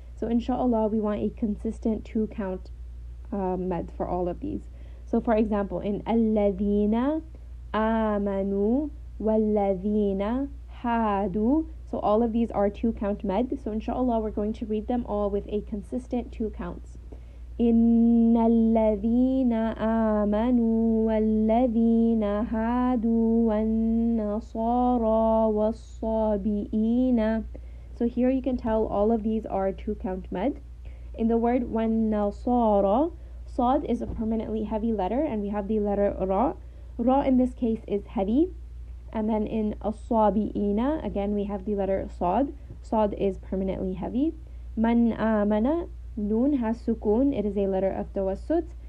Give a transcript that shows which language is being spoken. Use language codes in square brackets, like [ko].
[en] So inshallah, we want a consistent two count mad for all of these. So for example, in alladhina amanu walladhina hadu. So all of these are two count mad. So inshallah, we're going to read them all with a consistent two counts. [ar] إن الذين آمنوا والذين هادوا والنصارى والصابئين. [en] So here you can tell all of these are two count mad. In the word والنصارى, صاد is a permanently heavy letter, and we have the letter ra. Ra in this case is heavy. And then in الصابئين, again we have the letter صاد. صاد is permanently heavy. [ar] من آمن [en] Noon has sukun, it is a letter of tawassut.